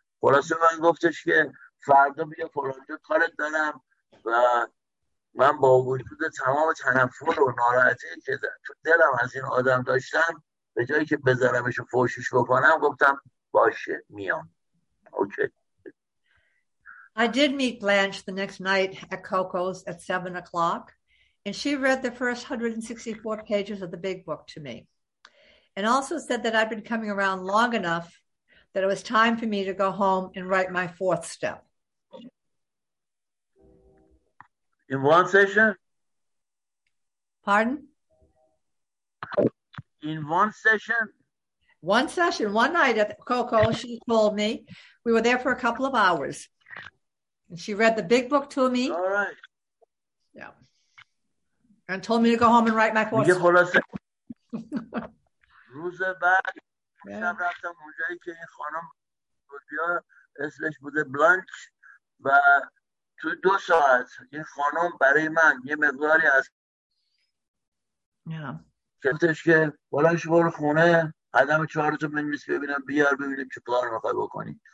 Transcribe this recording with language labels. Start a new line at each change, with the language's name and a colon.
Persian: خلاصه من گفتش که فردا بیا فلانجا کارت دارم و من با وجود تمام تنفر و ناراحتی که دلم از این آدم داشتم، به جایی که بزنمش و فوشش بکنم، گفتم باشه میام.
English: Okay. I did meet Blanche the next night at Coco's at 7 o'clock, and she read the first 164 pages of the big book to me and also said that I'd been coming around long enough that it was time for me to go home and write my fourth step. In one session? Pardon? In one session? One session, one night at Coco's, she told me. We were there for a couple of hours. And she read the big book to me. All right. Yeah. And told me to go home and write my fourth.
Persian: میگه خلاصه روز بعد شب رفتم اونجایی که این خانم بودیا اسمش بوده بلانچ و تو دو ساعت این خانم برای من یه مقداری از گفتش که بلانچ برو خونه قدم چهارتو بنویس ببینم بیار ببینیم چه کار میخوای بکنی.